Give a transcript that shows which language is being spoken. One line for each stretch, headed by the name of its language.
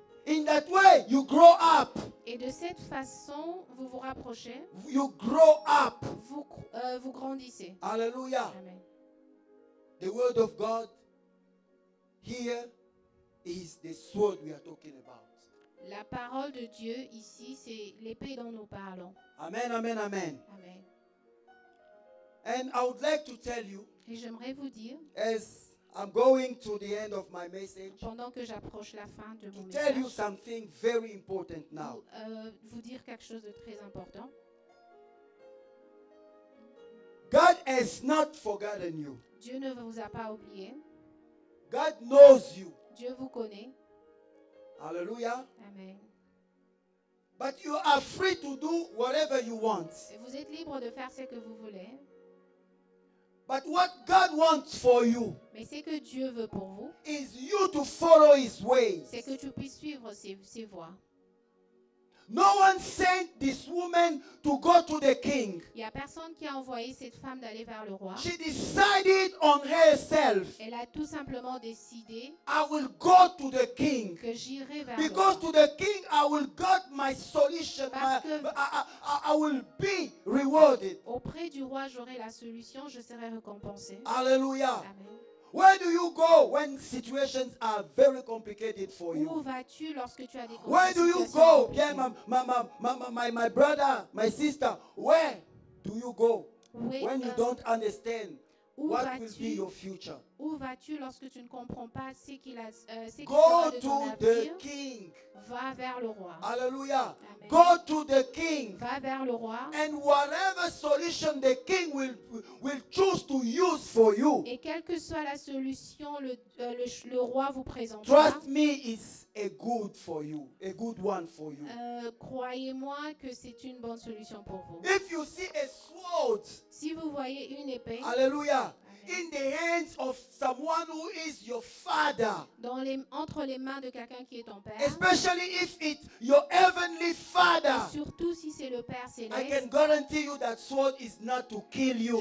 English: In that way, you grow up.
French: Et de cette façon, vous vous rapprochez.
English: You grow up.
French: Vous grandissez. Alléluia. Amen.
English: The word of God here is the sword we are talking about.
French: La parole de Dieu ici, c'est l'épée dont nous parlons. Amen, amen, amen. Amen.
English: And I would like to tell you,
French: et j'aimerais vous dire,
English: as I'm going to the end of my message,
French: pendant que j'approche la fin de mon message,
English: to tell you something very important now.
French: Vous dire quelque chose de très important.
English: God has not forgotten you.
French: Dieu ne vous a pas oublié.
English: God knows you.
French: Dieu vous connaît. Hallelujah. Amen.
English: But you are free to do whatever you want.
French: Vous êtes libre de faire ce que vous voulez.
English: But what God wants for you,
French: mais ce que Dieu veut pour vous,
English: is you to follow his ways.
French: C'est que tu puisses suivre ses voies.
English: No one sent this woman to go to the king.
French: Il n'y a personne qui a envoyé cette femme d'aller vers le roi.
English: She decided on herself.
French: Elle a tout simplement décidé.
English: I will go to the king.
French: Que j'irai vers
English: because
French: le roi.
English: Because to the king I will get my solution. I will be rewarded.
French: Auprès du roi j'aurai la solution, je serai récompensé. Hallelujah. Amen.
English: Where do you go when situations are very complicated for you?
French: Où vas-tu lorsque tu as des
English: where do you go? Yeah, my brother, my sister, where do you go when you don't understand what
French: vas-tu?
English: Will be your future?
French: Où vas-tu lorsque tu ne comprends pas ce qu'il a ce qui
English: go
French: sera de
English: to
French: ton
English: the
French: avenir?
English: King.
French: Va vers le roi. Hallelujah. Amen.
English: Go to the king.
French: Va vers le roi.
English: And whatever solution the king will choose to use for you.
French: Et quelle que soit la solution le roi vous présentera.
English: Trust me, it's a good one for you.
French: Croyez-moi que c'est une bonne solution pour vous.
English: If you see a sword.
French: Si vous voyez une épée. Hallelujah.
English: in the hands of someone who is your father.
French: Dans les, entre les mains de quelqu'un qui est ton père.
English: Especially if it's your heavenly father.
French: Et surtout si c'est le Père céleste.
English: I can guarantee you that sword is not to kill you.